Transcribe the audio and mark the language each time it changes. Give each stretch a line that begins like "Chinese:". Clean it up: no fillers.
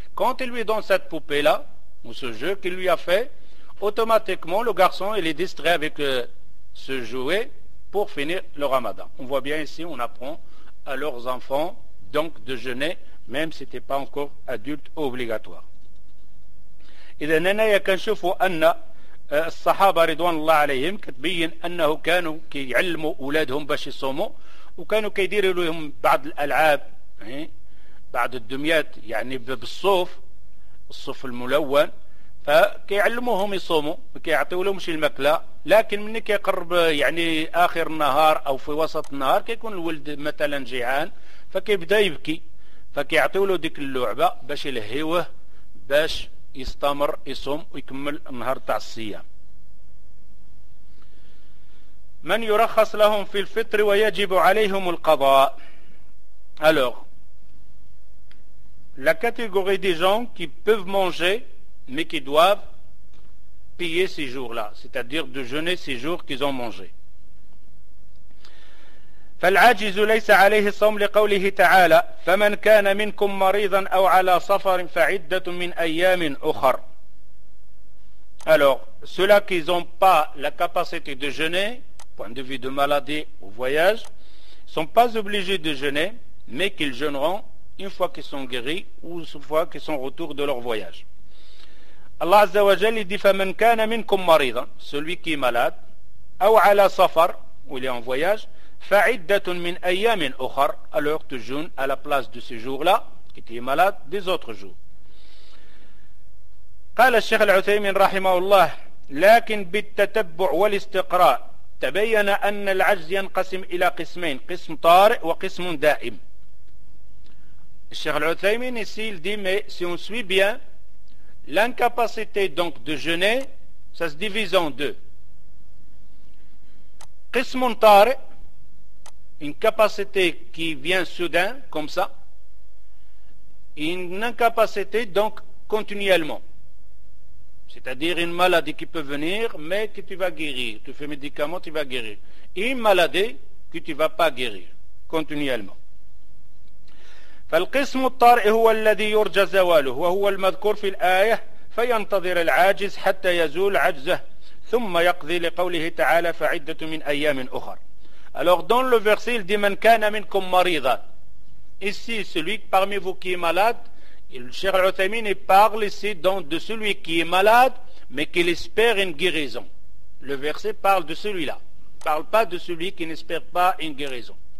French: Quand il lui donne cette poupée-là, ou ce jeu qu'il lui a fait, automatiquement, le garçon, il est distrait avec ce jouet pour finir le ramadan. On voit bien ici, on apprend à leurs enfants, donc, de jeûner, même si ce n'était pas encore adulte ou obligatoire. Et de nana yakanchufu anna,
Arabic: الصحابة رضوان الله عليهم كتبين أنه كانوا كيعلموا أولادهم باش يصوموا وكانوا كيديروا لهم بعض الألعاب بعض الدميات يعني بالصوف الصوف الملون فكيعلموهم يصوموا كيعطيو لهمش المكلة لكن من كيقرب يعني آخر النهار أو في وسط النهار كيكون الولد مثلا جيعان فكيبدأ يبكي فكيعطيو له ديك اللعبة باش يلهيوه باش يستمر يصوم ويكمل النهار تاع الصيام. من يرخص لهم في الفطر ويجب عليهم القضاء.
French: Alors, la catégorie des gens qui peuvent manger mais qui doivent payer ces jours-là, c'est-à-dire de jeûner ces jours qu'ils ont mangé.
Arabic: فالعاجز ليس عليه الصوم لقوله تعالى فمن كان منكم مريضا أو على سفر فعدة من أيام أخر.
French: Alors, ceux-là qui n'ont pas la capacité de jeûner, point de vue de maladie ou voyage, sont pas obligés de jeûner, mais qu'ils jeûneront une fois qu'ils sont guéris ou une fois qu'ils sont retour de leur voyage. Allah Azza wa Jalla dit
Arabic: فمن كان منكم مريضا,
French: celui qui est malade,
Arabic: أو على سفر,
French: ou il est en voyage,
Arabic: فَعِدَّةٌ مِنْ أَيَّامٍ أُخَرٍ.
French: Alors tu jeûnes à la place de ce jour-là qui était malade des autres jours.
Arabic: قال الشيخ العثيمين رحمه الله لكن بالتتبع والاستقراء تبين أن العجز ينقسم إلى قسمين قسم طارئ وقسم دائم.
French: الشيخ العثيمين ici il dit mais si on suit bien l'incapacité donc de jeûner ça se divise en deux
Arabic: قسم طارئ
French: une capacité qui vient soudain, comme ça, une incapacité donc continuellement. C'est-à-dire une maladie qui peut venir, mais que tu vas guérir. Tu fais médicaments, tu vas guérir. Et une maladie que tu ne vas pas guérir, continuellement.
Arabic: فالقسم الطارئ هو الذي يرجى زواله وهو المذكور في الآية فينتظر العاجز حتى يزول عجزه ثم يقضي لقوله تعالى فعدة من أيام أخر.
French: Alors dans le verset il dit
Arabic: man kana minkum marida.
French: Ici celui parmi vous qui est malade, le Cheikh Al-Uthaymin parle ici donc de celui qui est malade mais qu'il espère une guérison. Le verset parle de celui-là, il parle pas de celui qui n'espère pas une guérison.